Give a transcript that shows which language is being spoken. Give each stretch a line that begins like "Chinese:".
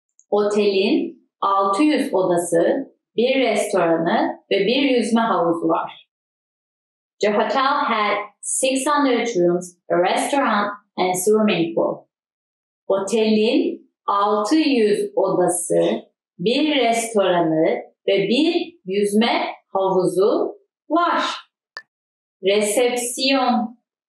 Turkish: Otelin 600 odası, bir restoranı ve bir yüzme havuzu var.
English: The hotel had 600 rooms, a restaurant and a swimming pool.
Turkish: Otelin 600 odası, bir restoranı ve bir yüzme havuzu var. Resepsiyon.